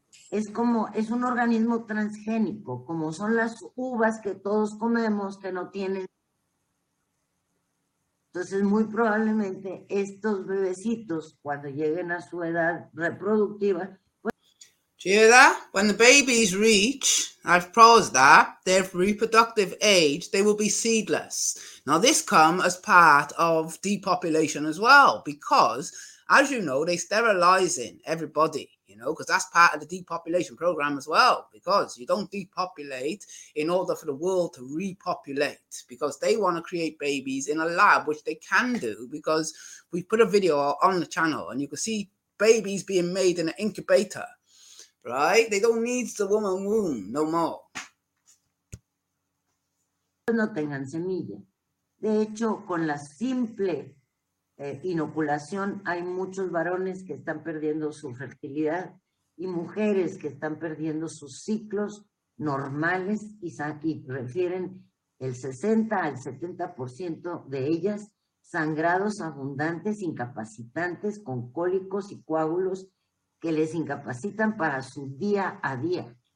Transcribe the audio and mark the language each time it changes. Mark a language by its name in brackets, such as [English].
[Spanish] Es un organismo transgénico, como son las uvas que todos comemos, que no tienen Entonces, muy probablemente estos bebecitos, cuando lleguen a su edad reproductiva, [English] do you hear that? When the babies reach, I've paused that, their reproductive age, they will be seedless. Now, this comes as part of depopulation as well, because, as you know, they're sterilizing everybody, you know, because that's part of the depopulation program as well, because you don't depopulate in order for the world to repopulate, because they want to create babies in a lab, which they can do, because we put a video on the channel and you can see babies being made in an incubator. Right? They don't need the woman womb no more. [Spanish] No tengan semilla. De hecho, con la simple inoculación, hay muchos varones que están perdiendo su fertilidad y mujeres que están perdiendo sus ciclos normales y refieren el 60 al 70% de ellas sangrados abundantes, incapacitantes, con cólicos y coágulos que les incapacitan para su día a día,